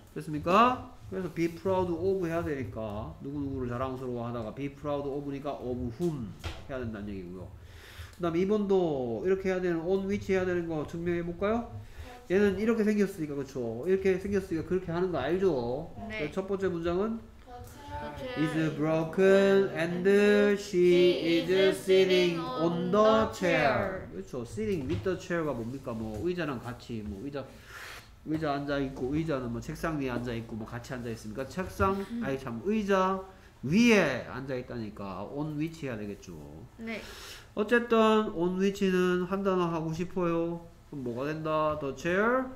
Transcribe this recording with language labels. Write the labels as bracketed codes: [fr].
[ko] 됐습니까? 그래서 be proud of 해야 되니까 누구누구를 자랑스러워하다가 be proud of니까 of whom 해야 된다는 얘기고요. 그 다음 2번도 이렇게 해야 되는 on which 해야 되는 거 증명해 볼까요? 얘는 이렇게 생겼으니까 그렇죠. 이렇게 생겼으니까 그렇게 하는 거 알죠? 네. 첫 번째 문장은 [en] is broken and she is sitting on the chair. [ko] 그렇죠. [en] Sitting with the chair [ko] 가 뭡니까? 뭐 의자랑 같이 뭐 의자 앉아 있고 의자는 뭐 책상 위에 앉아 있고 뭐 같이 앉아 있으니까 책상 아니 참 의자 위에 앉아 있다니까 on which 해야 되겠죠. 네. 어쨌든 on which는 한 단어 하고 싶어요. 그럼 뭐가 된다? The chair